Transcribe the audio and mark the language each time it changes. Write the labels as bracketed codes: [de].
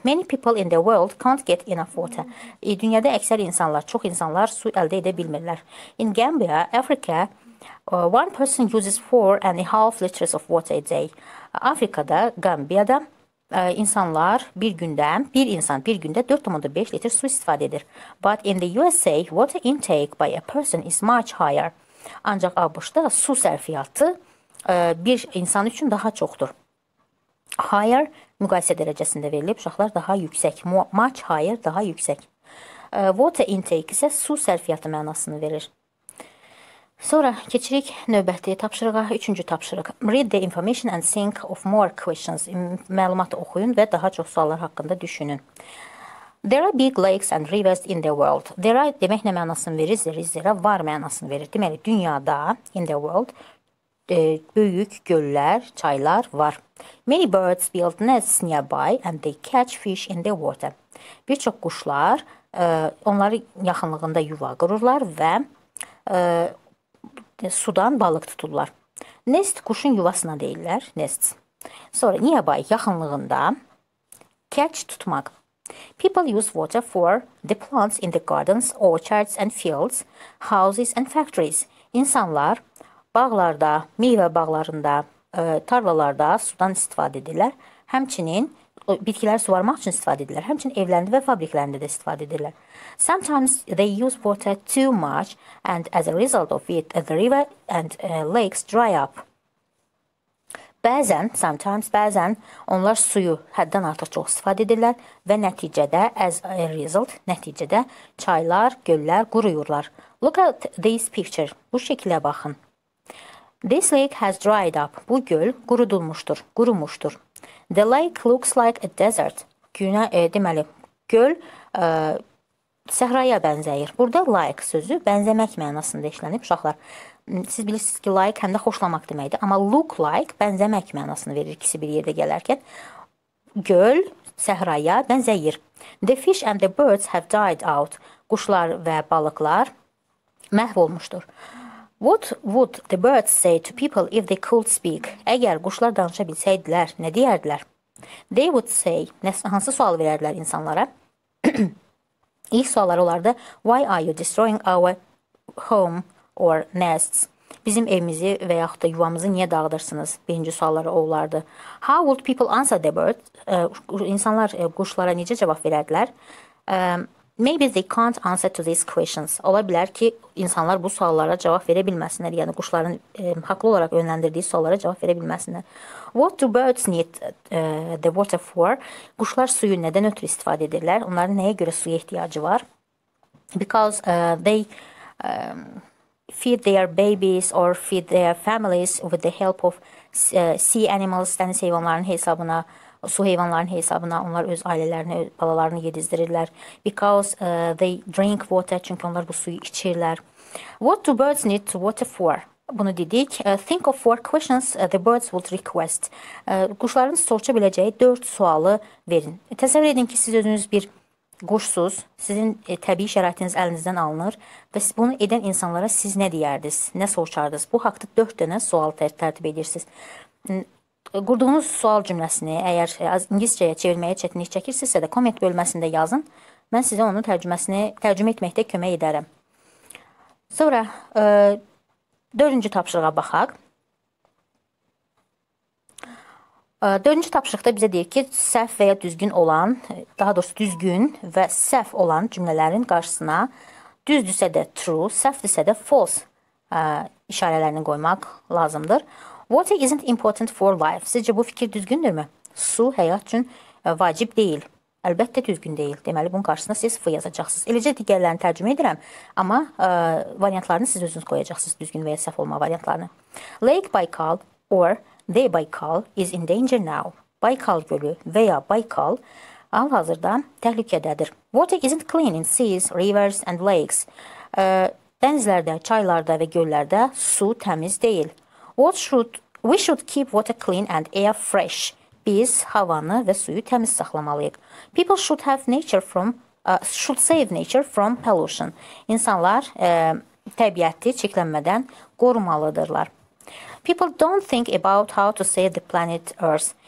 [en] Many people in the world can't get enough water. [az] Dünyada əksər insanlar, çox insanlar su əldə edə bilmirlər. [en] In Gambia, Africa, one person uses 4.5 liters of water a day. [az] Afrikada, Gambiyada insanlar bir gündə, bir insan bir gündə 4.5 litr su istifadə edir. [en] But in the USA, water intake by a person is much higher. [az] Ancaq ABŞ-da su sərfiyyatı bir insan üçün daha çoxdur. Higher müqayisə dərəcəsində verilib, uşaqlar daha yüksək. Much higher daha yüksək. Water intake isə su sərfiyyatı mənasını verir. Sonra keçirik növbəti tapşırığa, üçüncü tapşırıq. [en] Read the information and think of more questions. [az] Məlumatı oxuyun və daha çox suallar haqqında düşünün. [en] There are big lakes and rivers in the world. There are [az] demək nə mənasını verir? Zərizlərə var mənasını verir. Deməli, dünyada, [en] in the world, [az] böyük göllər, çaylar var. [en] Many birds build nests nearby and they catch fish in the water. [az] Bir çox quşlar onların yaxınlığında yuva qururlar və sudan balıq tuturlar. Nest quşun yuvasına deyirlər, nest. Sonra nearby, yaxınlığında catch tutmaq. [en] People use water for the plants in the gardens, orchards and fields, houses and factories. [az] İnsanlar bağlarda, meyvə bağlarında, tarlalarda sudan istifadə edirlər. Həmçinin bitkiləri suvarmaq üçün istifadə edirlər. Həmçinin evlərində və fabriklərində də istifadə edirlər. [en] Sometimes they use water too much and as a result of it, the river and lakes dry up. [az] Bəzən, [en] sometimes, [az] bəzən onlar suyu həddən artıq çox istifadə edirlər və nəticədə, [en] as a result, [az] nəticədə çaylar, göllər quruyurlar. [en] Look at this picture. [az] Bu şəkilə baxın. [en] This lake has dried up. [az] Bu göl qurudulmuşdur, qurumuşdur. [en] The lake looks like a desert. [az] Deməli, göl səhraya bənzəyir. Burada like sözü bənzəmək mənasında işlənib uşaqlar. Siz bilirsiniz ki, like həm də xoşlamaq deməkdir. Amma look like bənzəmək mənasını verir ikisi bir yerdə gələrkən. Göl səhraya bənzəyir. [en] The fish and the birds have died out. [az] Quşlar və balıqlar məhv olmuşdur. [en] What would the birds say to people if they could speak? [az] Əgər quşlar danışa bilsəydilər, nə deyərdilər? [en] They would say, [az] hansı sual verərdilər insanlara? İlk sualları olardı, [en] why are you destroying our home or nests? [az] Bizim evimizi və yaxud da yuvamızı niyə dağıdırsınız? Birinci sualları olardı. [en] How would people answer the birds? [az] İnsanlar quşlara necə cavab verərdilər? [en] Maybe they can't answer to these questions. [az] Ola bilər ki, insanlar bu suallara cavab verə bilməsinlər. Yəni, quşların haqlı olaraq yönləndirdiyi suallara cavab verə bilməsinlər. [en] What do birds need the water for? [az] Quşlar suyu nədən ötürü istifadə edirlər? Onların nəyə görə suya ehtiyacı var? [en] Because they feed their babies or feed their families with the help of sea animals, [az] dəniz heyvanlarının hesabına. Su heyvanlarının hesabına onlar öz ailələrini, balalarını yedizdirirlər. [en] Because they drink water, [az] çünki onlar bu suyu içirlər. [en] What do birds need to water for? [az] Bunu dedik. [en] Think of four questions the birds would request. [az] Quşların soruşa biləcəyi 4 sualı verin. Təsəvvür edin ki, siz özünüz bir quşsuz, sizin təbii şəraitiniz əlinizdən alınır və bunu edən insanlara siz nə deyərdiniz, nə soruşardınız? Bu haqda 4 dənə sual tərtib edirsiniz. Qurduğunuz sual cümləsini əgər ingiliscəyə çevirməyə çətinlik çəkirsinizsə də komment bölməsində yazın. Mən sizə onun tərcüməsini tərcümə etməkdə kömək edərəm. Sonra dördüncü tapşırığa baxaq. Dördüncü tapşırıqda bizə deyir ki, səhv və ya düzgün olan, daha doğrusu düzgün və səhv olan cümlələrin qarşısına düzdürsə də true, səhvdirsə də false işarələrini qoymaq lazımdır. [en] Water isn't important for life. [az] Sizcə bu fikir düzgündürmü? Su həyat üçün vacib deyil. Əlbəttə düzgün deyil. Deməli, bunun qarşısına siz F yazacaqsınız. Eləcə digərlərini tərcümə edirəm, amma variantlarını siz özünüz qoyacaqsınız, düzgün və ya səhv olma variantlarını. [en] Lake Baikal or The Baikal is in danger now. [az] Baikal gölü veya Baikal hal-hazırda təhlükədədir. [en] Water isn't clean in seas, rivers and lakes. [az] Dənizlərdə, çaylarda və göllərdə su təmiz deyil. [en] We should keep water clean and air fresh. [az] Biz havanı və suyu təmiz saxlamalıyıq. [en] People should have nature from should save nature from pollution. [az] İnsanlar təbiəti çirklənmədən qorumalıdırlar. [en] People don't think about how to save the planet Earth.